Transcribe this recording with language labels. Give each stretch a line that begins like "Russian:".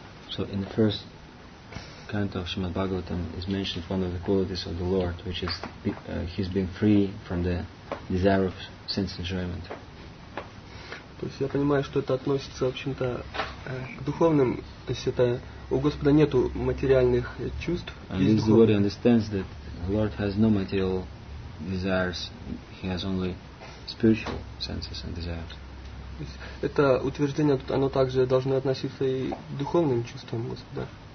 English: So in the first canto of Shrimad Bhagavatam is mentioned one of the qualities of the Lord, which is he's been free from the desire of sense enjoyment.
Russian: То есть я понимаю, что это относится, в общем-то, к духовным, то есть это у Господа нету материальных чувств.
English: And this devotee understands that the Lord has no material desires, he has only spiritual senses and desires.
Russian: То есть это утверждение, оно также должно относиться и к духовным чувствам Господа.